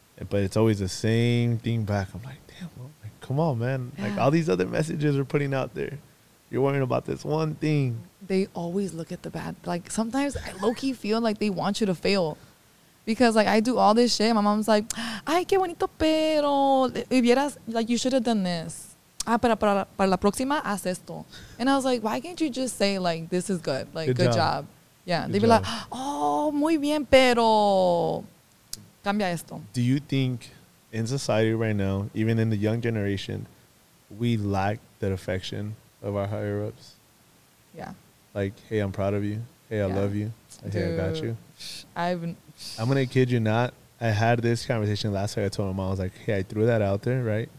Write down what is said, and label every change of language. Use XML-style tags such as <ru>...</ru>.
<en>But it's always the same thing back. I'm like, damn, well. Come on, man. Yeah. Like, all these other messages are putting out there. You're worrying about this one thing. They always look at the bad. Like, sometimes I low-key feel like they want you to fail. Because, like, I do all this shit. My mom's like,</en> <es>ay, qué bonito, pero hubieras,</es> <en>like, you should have done this.</en> <es>Ah, pero para la próxima, haz esto.</es> <en>And I was like, why can't you just say, like, this is good. Like, good, good job. Yeah. Good They'd be job.</en> <es>Like, oh, muy bien, pero cambia esto.</es> <en>Do you think in society right now, even in the young generation, we lack that affection of our higher-ups? Yeah. Like, hey, I'm proud of you. Hey, I love you. Like, hey, I got you. I'm going to kid you not. I had this conversation last night. I told my mom, I was like, hey, I threw that out there, right?</en>